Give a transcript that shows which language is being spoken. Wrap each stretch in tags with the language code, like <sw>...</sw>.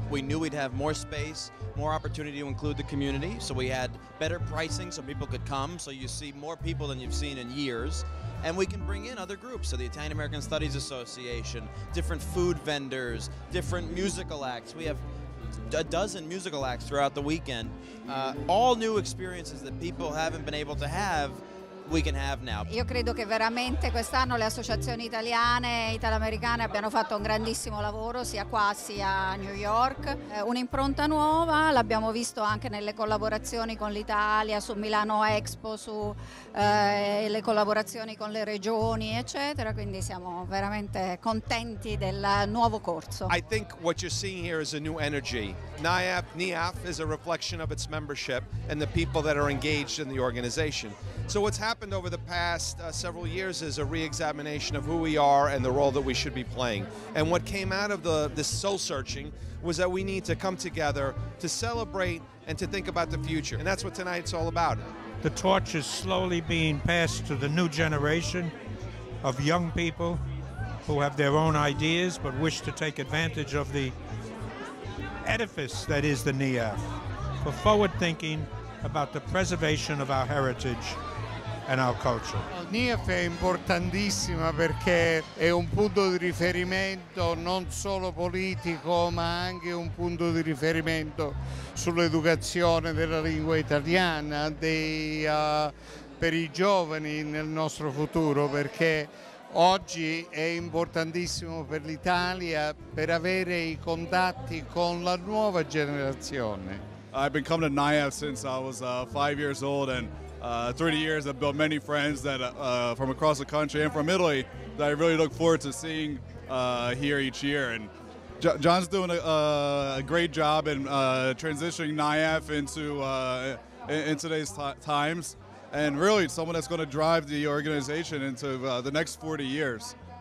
<en>We knew we'd have more space, more opportunity to include the community, so we had better pricing so people could come, so you see more people than you've seen in years. And we can bring in other groups, so the Italian American Studies Association, different food vendors, different musical acts. We have a dozen musical acts throughout the weekend. All new experiences that people haven't been able to have we can have now.</en> <it>Io credo che veramente quest'anno le associazioni italiane e italoamericane abbiano fatto un grandissimo lavoro sia qua sia a New York. Un'impronta nuova, l'abbiamo visto anche nelle collaborazioni con l'Italia, su Milano Expo, su le collaborazioni con le regioni, eccetera, quindi siamo veramente contenti del nuovo corso.</it> <en>I think what you're seeing here is a new energy. NIAF is a reflection of its membership and the people that are engaged in the organization. So what's happened over the past several years is a re-examination of who we are and the role that we should be playing. And what came out of the soul searching was that we need to come together to celebrate and to think about the future. And that's what tonight's all about. The torch is slowly being passed to the new generation of young people who have their own ideas but wish to take advantage of the edifice that is the NIAF for forward thinking about the preservation of our heritage and our culture.</en> <it>NIAF è importantissima perché è un punto di riferimento non solo politico, ma anche un punto di riferimento sull'educazione della lingua italiana per i giovani nel nostro futuro, perché oggi è importantissimo per l'Italia per avere i contatti con la nuova generazione.</it> <en>I've been coming to NIAF since I was 5 years old, and through the years I've built many friends that from across the country and from Italy that I really look forward to seeing here each year. And John's doing a great job in transitioning NIAF into today's times, and really someone that's going to drive the organization into the next 40 years.</en>